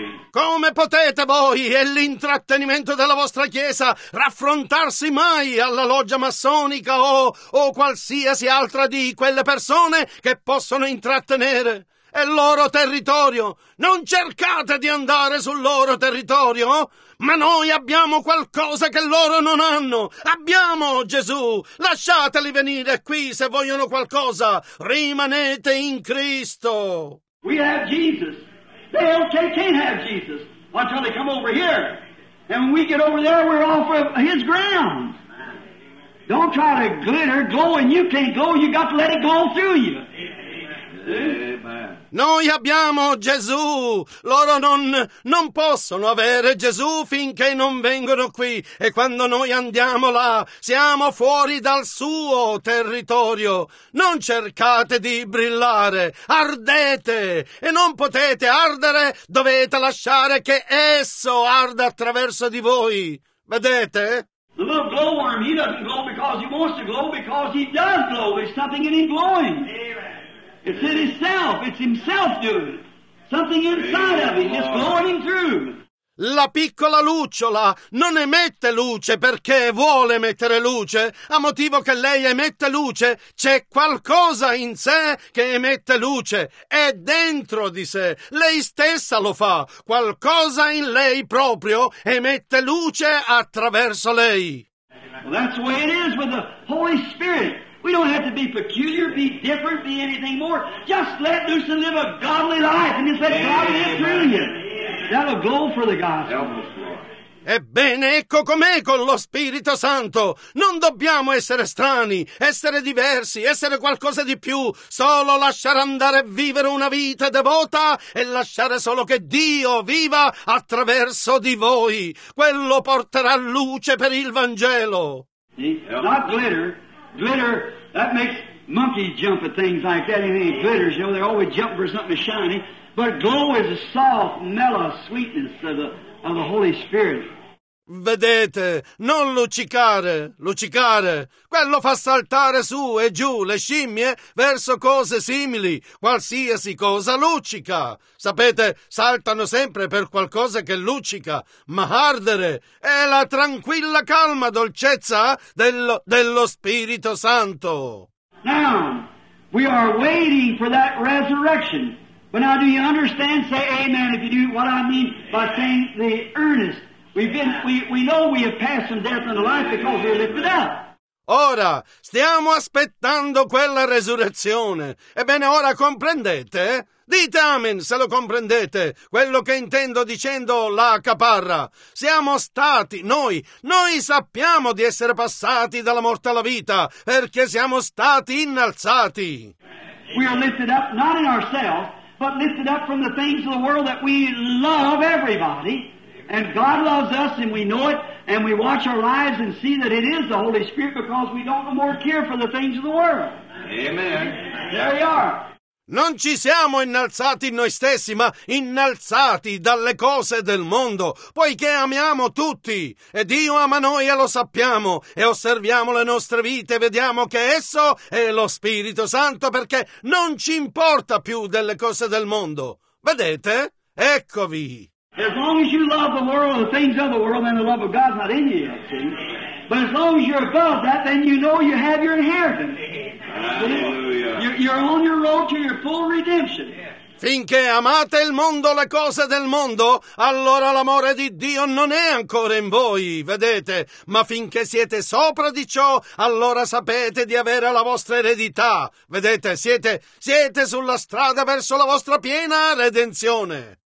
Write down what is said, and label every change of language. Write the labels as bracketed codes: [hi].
[it] Come potete voi e l'intrattenimento della vostra chiesa raffrontarsi mai alla loggia massonica o qualsiasi altra di quelle persone che possono intrattenere? È loro territorio. Non cercate di andare sul loro territorio. Ma noi abbiamo qualcosa che loro non hanno. Abbiamo Gesù. Lasciateli venire qui se vogliono qualcosa. Rimanete in Cristo. [en] We have Jesus. They can't have Jesus until they come over here. And when we get over there, we're off of his ground. Don't try to glitter, glow, and you can't glow. You got to let it glow through you. Amen. [it] Noi abbiamo Gesù. Loro non possono avere Gesù finché non vengono qui. E quando noi andiamo là, siamo fuori dal suo territorio. Non cercate di brillare. Ardete. E non potete ardere, dovete lasciare che esso arda attraverso di voi. Vedete? [en] The little glowworm, he doesn't glow because he wants to glow, because he does glow. There's something in him glowing. It's in himself. It's himself doing it. Something inside of him is blowing him through. [it] La piccola lucciola non emette luce perché vuole emettere luce. A motivo che lei emette luce, c'è qualcosa in sé che emette luce. È dentro di sé. Lei stessa lo fa. Qualcosa in lei proprio emette luce attraverso lei. [en] Well, that's the way it is with the Holy Spirit. We don't have to be peculiar, be different, be anything more. Just let loose and live a godly life and just let God live through you. That'll go for the gospel. [it] Ebbene, ecco com'è con lo Spirito Santo. Non dobbiamo essere strani, essere diversi, essere qualcosa di più. Solo lasciare andare e vivere una vita devota e lasciare solo che Dio viva attraverso di voi. Quello porterà luce per il Vangelo. [en] Not glitter. Glitter, that makes monkeys jump at things like that. Anything that glitters, you know, they're always jumping for something shiny. But glow is a soft, mellow sweetness of the Holy Spirit. [it] Vedete, non luccicare. Quello fa saltare su e giù le scimmie verso cose simili, qualsiasi cosa luccica. Sapete, saltano sempre per qualcosa che luccica, ma ardere è la tranquilla calma dolcezza dello Spirito Santo. [en] Now, we are waiting for that resurrection. But now, do you understand? Say amen if you do what I mean by saying the earnest. We know we have passed from death into life because we are lifted up. [it] Ora, stiamo aspettando quella resurrezione. Ebbene, ora comprendete? Dite amen se lo comprendete, quello che intendo dicendo la caparra. Siamo stati, noi sappiamo di essere passati dalla morte alla vita, perché siamo stati innalzati. [en] We are lifted up, not in ourselves, but lifted up from the things of the world that we love everybody. And God loves us, and we know it, and we watch our lives and see that it is the Holy Spirit because we don't no more care for the things of the world. Amen. There we are. [it] Non ci siamo innalzati noi stessi, ma innalzati dalle cose del mondo, poiché amiamo tutti, e Dio ama noi e lo sappiamo, e osserviamo le nostre vite e vediamo che esso è lo Spirito Santo, perché non ci importa più delle cose del mondo. Vedete? Eccovi. [en] As long as you love the world and the things of the world, then the love of God's not in you, see? But as long as you're above that, then you know you have your inheritance. Hallelujah. You're on your road to your full redemption. [it] Finché amate il mondo, le cose del mondo, allora l'amore di Dio non è ancora in voi, vedete? Ma finché siete sopra di ciò, allora sapete di avere la vostra eredità, vedete? Siete sulla strada verso la vostra piena redenzione.